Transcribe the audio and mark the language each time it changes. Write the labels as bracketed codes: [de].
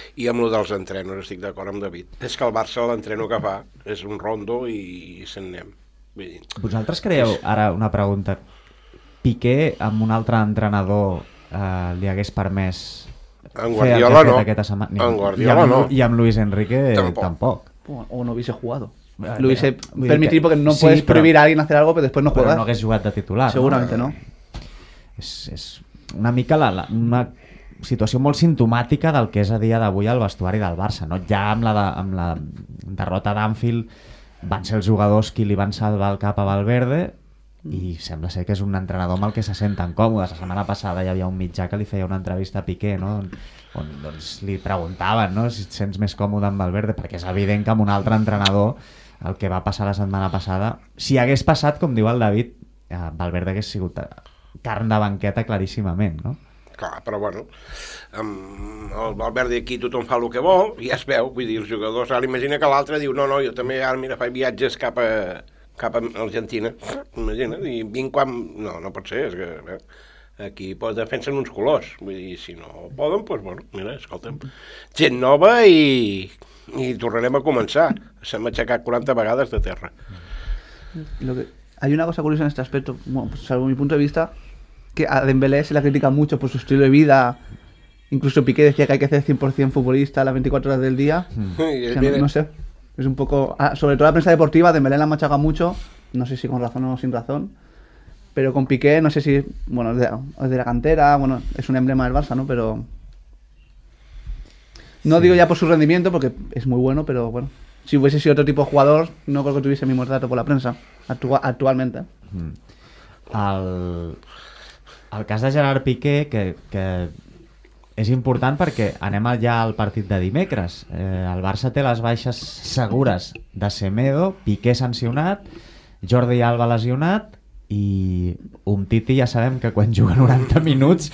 [ca] I amb lo dels entrenos estic d'acord amb David. És que el Barça l'entreno que fa és un rondo i se'n anem. Vull dir, vosaltres creieu, ara una pregunta, Piqué amb un altre entrenador li hagués permès en Guardiola no. Aquesta setmana. En Guardiola no. I amb Luis Enrique tampoc. [es] O no hubiese jugado. Lo hubiese permitido, porque no puedes prohibir a alguien hacer algo, pero después no juegas. [ca] Pero no hagués jugat de titular. Segurament no. És una mica una situació molt simptomàtica del que és a dia d'avui el vestuari del Barça, no? Ja amb la derrota d'Anfield van ser els jugadors qui li van salvar el cap a Valverde, i sembla ser que és un entrenador amb el que se senten còmodes. La setmana passada hi havia un mitjà que li feia una entrevista a Piqué, no? On doncs, li preguntaven, no? Si et sents més còmode amb Valverde, perquè és evident que amb un altre entrenador, el que va passar la setmana passada, si hagués passat, com diu el David, Valverde hagués sigut carn de banqueta claríssimament, no? Clar, però bueno, amb el Valverde aquí tothom fa el que vol, i ja es veu, vull dir, els jugadors, ara imagina que l'altre diu, no, jo també ara, mira, faig viatges cap a Argentina, imagina, i vinc quan... No pot ser, és que aquí pues, defensen uns colors, vull dir, si no poden, doncs, bueno, mira, escolta'm, gent nova i tornarem a començar. S'hem aixecat 40 vegades de terra. [es] Hay una cosa curiosa en este aspecto, bueno, pues, salvo mi punto de vista, que a Dembélé se la critica mucho por su estilo de vida. Incluso Piqué decía que hay que ser 100% futbolista las 24 horas del día. No sé, es un poco... Sobre todo la prensa deportiva, Dembélé la machaca mucho, no sé si con razón o sin razón. Pero con Piqué, no sé si... Bueno, es de la cantera, bueno, es un emblema del Barça, ¿no? Pero... No sí. Digo ya por su rendimiento, porque es muy bueno, pero bueno... Si hubiese sido otro tipo de jugador, no creo que tuviese el mismo trato por la prensa, actualmente. [ca] El cas de Gerard Piqué, que és important perquè anem ja al partit de dimecres. El Barça té les baixes segures de Semedo, Piqué sancionat, Jordi Alba lesionat, i Umtiti ja sabem que quan juga 90 minuts